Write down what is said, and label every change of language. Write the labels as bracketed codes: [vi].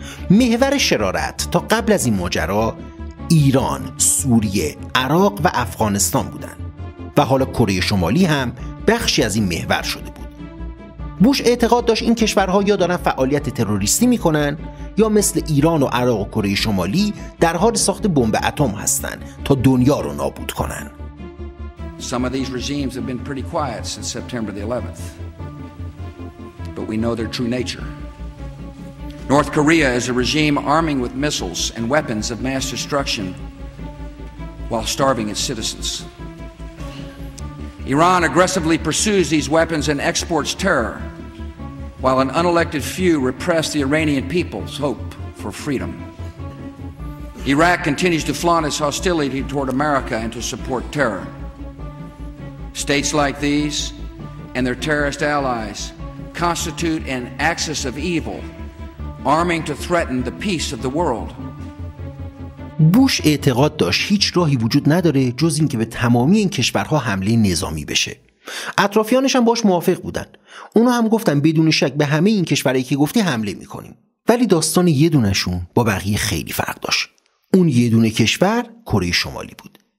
[fa] محور شرارت تا قبل از این ماجرا ایران، سوریه، عراق و افغانستان بودند و حالا کره شمالی هم بخشی از این محور شده بود. بوش اعتقاد داشت این کشورها یا دارن فعالیت تروریستی میکنن یا مثل ایران و عراق و کره شمالی در حال ساخت بمب اتم هستن تا دنیا رو نابود کنن. [en] Some of these regimes have been pretty quiet since September the 11th. But we know their true nature. North Korea is a regime arming with missiles and weapons of mass destruction while starving its citizens. Iran aggressively pursues these weapons and exports terror while an unelected few repress the Iranian people's hope for freedom. Iraq continues to flaunt its hostility toward America and to support terror. States like these and their terrorist allies constitute an axis of evil, arming to threaten the peace of the world. [fa] بوش اعتقاد داشت هیچ راهی وجود نداره جز اینکه به تمامی این کشورها حمله نظامی بشه. اطرافیانش هم باش موافق بودن. اونا هم گفتن بدون شک به همه این کشورهایی که گفتی حمله میکنیم. ولی داستان یه دونشون با بقیه خیلی فرق داشت. اون یه دونه کشور کره شمالی بود.